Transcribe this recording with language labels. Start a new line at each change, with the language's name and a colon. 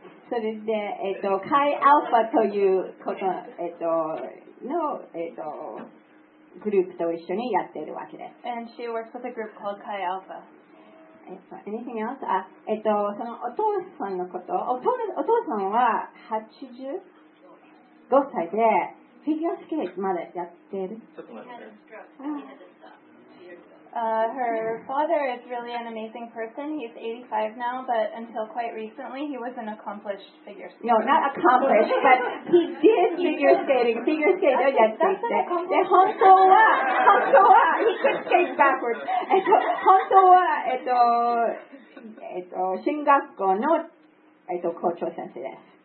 Japanese: それで、カイアルファということ、グループと一緒にやっているわけです。
English: And she works with a group called Chi Alpha. Anything else?
Japanese: そのお父さんのこと、お父さんは85歳でフィギュアスケートまでやっている。
English: Her father is really an amazing person. He's 85 now, but until quite recently, he was an accomplished figure skater. No, not accomplished, but he did figure skating. Figure skating. That's, that's an accomplishment.
Japanese: 本当は、本当は、
English: he could skate backwards.
Japanese: 本当は、新学校の、校長先生です。